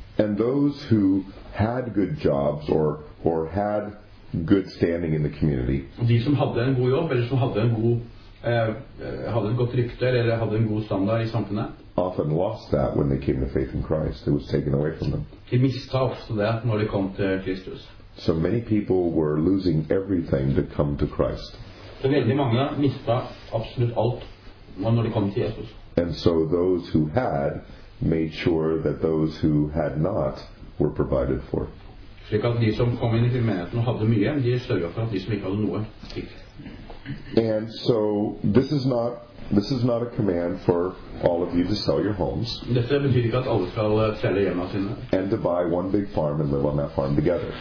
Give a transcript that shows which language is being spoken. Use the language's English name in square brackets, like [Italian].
[English] And those who had good jobs or had good standing in the community. [Norwegian] De som hadde en god jobb eller som hadde en god hadde et godt rykte eller hadde en god standard I samfunnet. [English] Often lost that when they came to faith in Christ, it was taken away from them. [Norwegian] De mista ofte det når de kom til Kristus. [English] So many people were losing everything to come to Christ. [Norwegian] Så veldig mange mista absolutt alt når de kom til Jesus. [English] And so those who had made sure that those who had not were provided for. [Norwegian] Slik at de som kom inn I menigheten og hadde mye, de sørget for at de som ikke hadde noe fikk. [English] And so this is not a command for all of you to sell your homes. [Norwegian] Dette betyr ikke at alle skal selge hjemmene sine. [English] And to buy one big farm and live on that farm together.